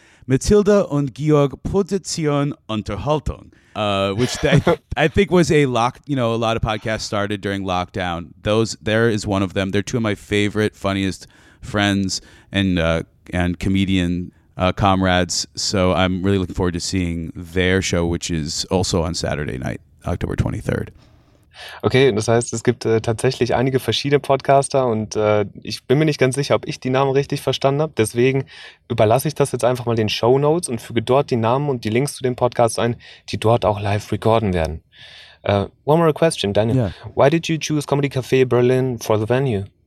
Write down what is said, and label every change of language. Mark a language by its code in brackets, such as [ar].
[en] Matilda und Georg Position Unterhaltung, which I think was a lot of podcasts started during lockdown. There is one of them. They're two of my favorite, funniest friends and comedian comrades, so I'm really looking forward to seeing their show, which is also on Saturday night, October 23rd. [de] Okay, das heißt, es gibt tatsächlich einige verschiedene Podcaster und ich bin mir nicht ganz sicher, ob ich die Namen richtig verstanden habe. Deswegen überlasse ich das jetzt einfach mal den Shownotes und füge dort die Namen und die Links zu den Podcasts ein, die dort auch live recorden werden. [en] One more question, Daniel. Yeah. Why did you choose Comedy Cafe Berlin for the venue?